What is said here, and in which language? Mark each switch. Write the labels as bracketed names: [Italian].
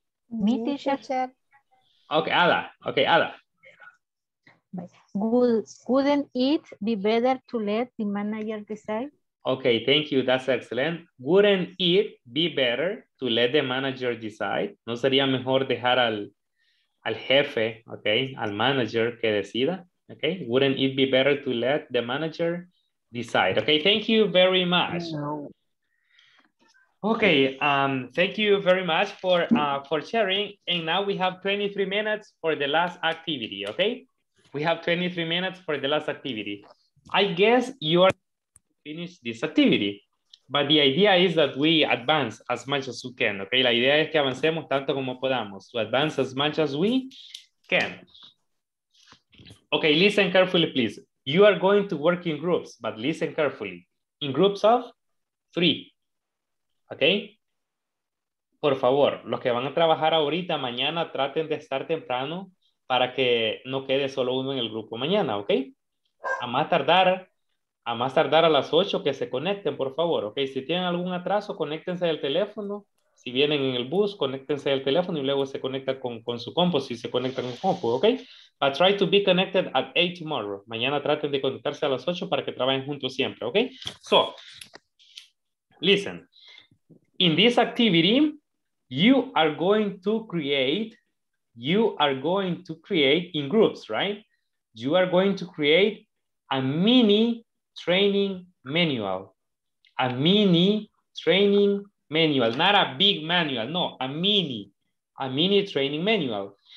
[English] Me, teacher. Okay, Ada. Okay, Ada. Couldn't it be better to let the manager decide? Okay, thank you. That's excellent. Wouldn't it be better to let the manager decide? [Spanish] ¿No sería mejor dejar al jefe, okay, al manager que decida? [English] Okay, wouldn't it be better to let the manager decide? Okay, thank you very much. Okay, thank you very much for sharing. And now we have 23 minutes for the last activity, okay? We have 23 minutes for the last activity. I guess you are finish this activity, but the idea is that we advance as much as we can, okay? [Spanish] La idea es que avancemos tanto como podamos, [English] to advance as much as we can. Okay, listen carefully, please. You are going to work in groups, but listen carefully. In groups of three, okay? [Spanish] Por favor, los que van a trabajar ahorita, mañana, traten de estar temprano para que no quede solo uno en el grupo mañana, okay? A más tardar a las 8 que se conecten, por favor, ok? Si tienen algún atraso, conéctense del teléfono. Si vienen en el bus, conéctense del teléfono y luego se conectan con su compu, si se conectan con compu, ok? [English] But try to be connected at 8 tomorrow. [Spanish] Mañana traten de conectarse a las 8 para que trabajen juntos siempre, ok? [English] So, listen. In this activity, you are going to create in groups, right? You are going to create a mini training manual, a mini training manual, not a big manual, no, a mini training manual.